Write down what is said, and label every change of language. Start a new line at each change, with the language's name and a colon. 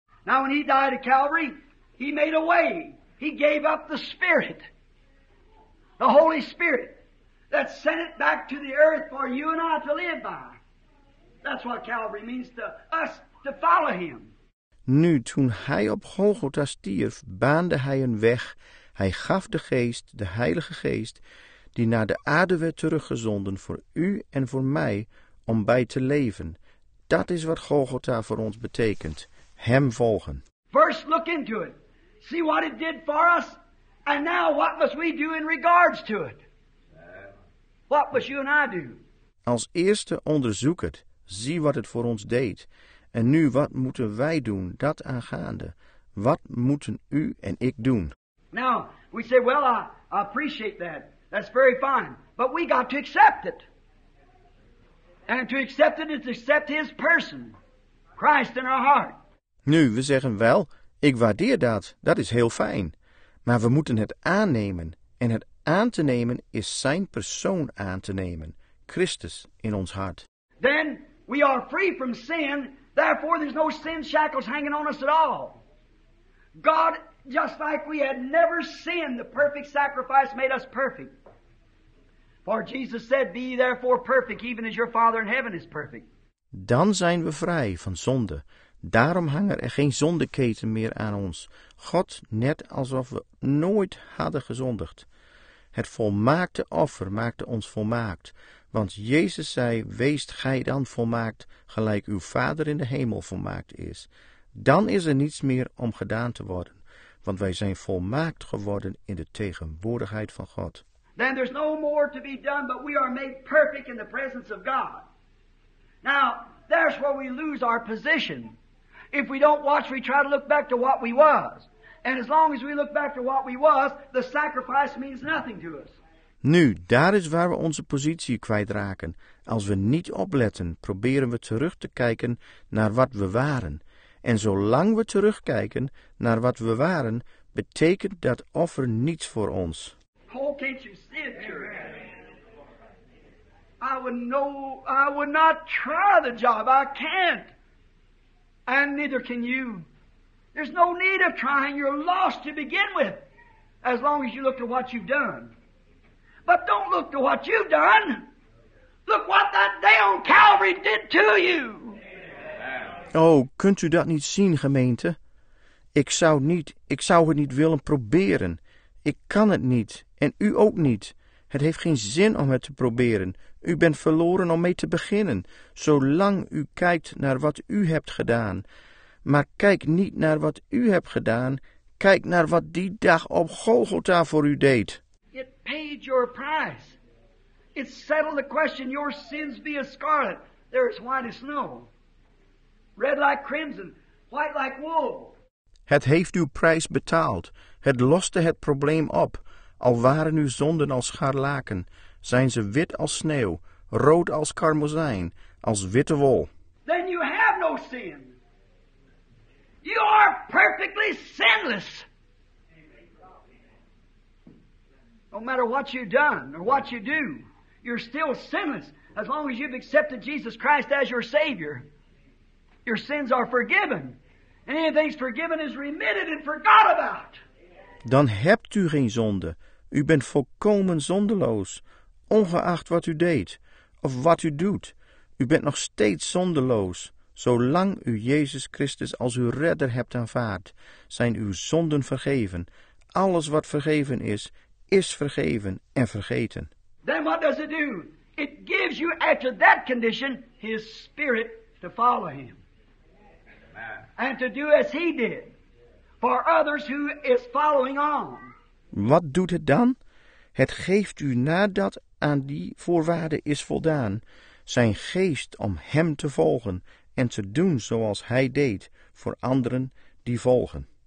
English: Now when he died at Calvary, he made a way. He gave up the Spirit, the Holy Spirit, that sent it back to the earth for you and I to live by. That's what Calvary means to us, to follow him.
Dutch: Nu, toen hij op Golgotha stierf, baande hij een weg. Hij gaf de Geest, de Heilige Geest, die naar de aarde werd teruggezonden voor u en voor mij, om bij te leven. Dat is wat Golgotha voor ons betekent. Hem volgen.
English: First look into it. See what it did for us. And now what must we do in regards to it? What must you and I do?
Dutch: Als eerste onderzoek het. Zie wat het voor ons deed. En nu, wat moeten wij doen, dat aangaande? Wat moeten u en ik doen?
English: Now, we say, well, I appreciate that. That's very fine. But we got to accept it. And to accept it is to accept his person, Christ in our heart.
Dutch: Nu, we zeggen wel, ik waardeer dat. Dat is heel fijn. Maar we moeten het aannemen. En het aan te nemen is zijn persoon aan te nemen. Christus in ons hart.
English: Then we are free from sin. Therefore there's no sin shackles hanging on us at all. God, just like we had never sinned, the perfect sacrifice made us perfect. For Jesus said, be therefore perfect, even as your Father in heaven is perfect.
Dutch: Dan zijn we vrij van zonde. Daarom hangen er geen zondeketen meer aan ons. God, net alsof we nooit hadden gezondigd. Het volmaakte offer maakte ons volmaakt. Want Jezus zei, weest gij dan volmaakt, gelijk uw Vader in de hemel volmaakt is. Dan is er niets meer om gedaan te worden. Want wij zijn volmaakt geworden in de tegenwoordigheid van God.
English: Then there's no more to be done, but we are made perfect in the presence of God. Now, that's where we lose our position. If we don't watch, we try to look back to what we was. And as long as we look back to what we was, the sacrifice means nothing to us.
Dutch: Nu, daar is waar we onze positie kwijtraken. Als we niet opletten, proberen we terug te kijken naar wat we waren. En zolang we terugkijken naar wat we waren, betekent dat offer niets voor ons.
English: Paul, can't you see it, church? I would not try the job. I can't. And neither can you. There's no need of trying. You're lost to begin with, as long as you look to what you've done. But don't look to what you've done. Look what that day on Calvary did to you.
Dutch: Oh, kunt u dat niet zien, gemeente? Ik zou het niet willen proberen. Ik kan het niet, en u ook niet. Het heeft geen zin om het te proberen. U bent verloren om mee te beginnen, zolang u kijkt naar wat u hebt gedaan. Maar kijk niet naar wat u hebt gedaan, kijk naar wat die dag op Golgotha voor u deed.
English: It paid your price. It settled the question, your sins be as scarlet, they're as white as snow. Red like crimson, white like wool.
Dutch: Het heeft uw prijs betaald. Het loste het probleem op. Al waren uw zonden als scharlaken, zijn ze wit als sneeuw, rood als karmozijn, als witte wol.
English: Then you have no sin. You are perfectly sinless. No matter what you've done or what you do, you're still sinless as long as you've accepted Jesus Christ as your Savior. Your sins are forgiven. And anything's forgiven is remitted and forgot about.
Dutch: Dan hebt u geen zonde. U bent volkomen zondeloos, ongeacht wat u deed of wat u doet. U bent nog steeds zondeloos, zolang u Jezus Christus als uw redder hebt aanvaard. Zijn uw zonden vergeven. Alles wat vergeven is, is vergeven en vergeten.
English: Then what does it do? It gives you, after that condition, his spirit to follow him. And to do as he did for others who is following on.
Dutch: Wat doet het dan? Het geeft u nadat aan die voorwaarde is voldaan, zijn geest om hem te volgen en te doen zoals hij deed voor anderen die volgen.